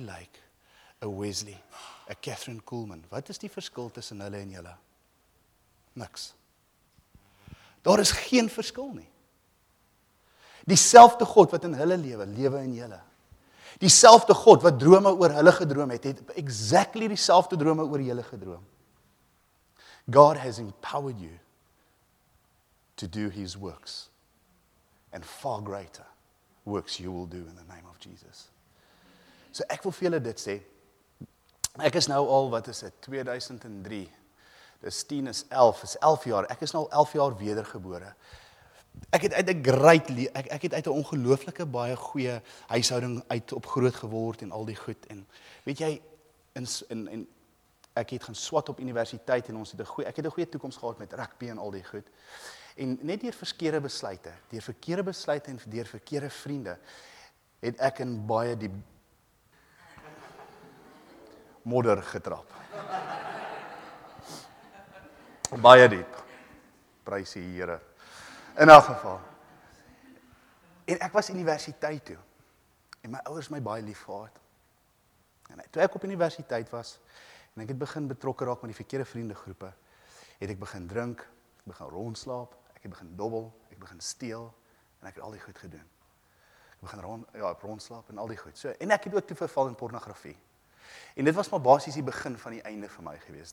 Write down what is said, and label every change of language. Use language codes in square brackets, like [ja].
[af] Lake, 'n Wesley, 'n Catherine Kuhlman? Wat is die verskil tussen hulle en julle? Niks. Daar is geen verskil nie. Dieselfde God wat in hulle lewe, lewe in julle. Dieselfde God wat drome oor hulle gedroom het, het exactly dieselfde drome oor julle gedroom. [en] God has empowered you to do his works and far greater works you will do in the name of Jesus. [af] So ek wil vir julle dit sê. Ek is nou al, wat is het, 2003. Dis 10 is 11, is 11 jaar. Ek is nou 11 jaar wedergebore. Ek het uit 'n great ek het uit 'n ongelooflike baie goeie huishouding uit op groot geword en al die goed en weet jy in ek het gaan swat op universiteit en ons het 'n goeie ek het 'n goeie toekoms gehad met rugby en al die goed. En net deur verkeerde besluite en deur verkeerde vriende het ek in baie diep modder getrap. Baie diep. Prys die Here. In elk geval. En ek was universiteit toe. En my ouers my baie lief gehad. En toe ek op universiteit was, en ek het begin betrokke raak met die verkeerde vriendegroepe, het ek begin drink, begin rondslaap, ek het begin dobbel, ek begin steel, en ek het al die goed gedoen. Ek begin rondslaap en al die goed. So, en ek het ook toe verval in pornografie. En dit was maar basies die begin van die einde vir my gewees.